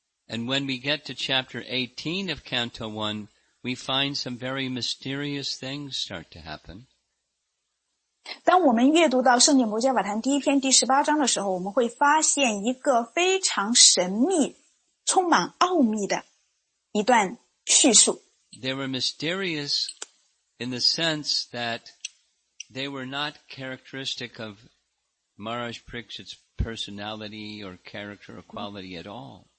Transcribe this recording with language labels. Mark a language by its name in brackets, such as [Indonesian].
[English] And when we get to chapter 18 of Canto 1, we find some very mysterious things start to happen. [Chinese] 当我们阅读到圣典博迦瓦坛第一篇第18章的时候， 我们会发现一个非常神秘、充满奥秘的一段叙述。 [English] They were mysterious in the sense that they were not characteristic of Maharaj Parikshit's personality or character or quality at all.